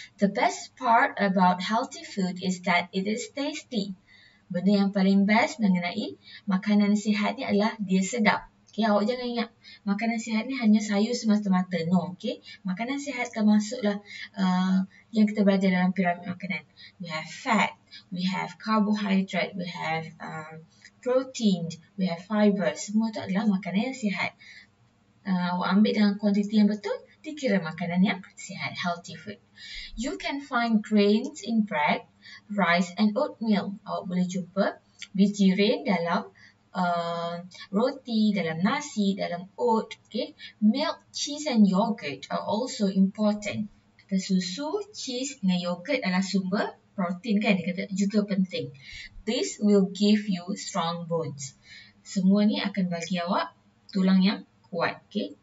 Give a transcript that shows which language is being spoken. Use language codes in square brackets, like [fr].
[en] The best part about healthy food is that it is tasty. [ms] Benda yang paling best mengenai makanan sihat ni adalah dia sedap. Okay, awak jangan ingat makanan sihat ni hanya sayur semata-mata. [en] No, okay. [ms] Makanan sihat termasuklah yang kita belajar dalam piramid makanan. [en] We have fat, we have carbohydrate, we have protein, we have fiber. [ms] Semua tu adalah makanan yang sihat. Awak ambil dalam kuantiti yang betul, dikira makanan yang sihat, [en] healthy food. You can find grains in bread, rice and oatmeal. [ms] Awak boleh jumpa bijirin dalam roti, dalam nasi, dalam oat, okay. [en] Milk, cheese and yogurt are also important. [ms] Kata susu, cheese dan yogurt adalah sumber protein kan, dia kata juga penting. [en] This will give you strong bones. [ms] Semua ni akan bagi awak tulang yang kuat, okay.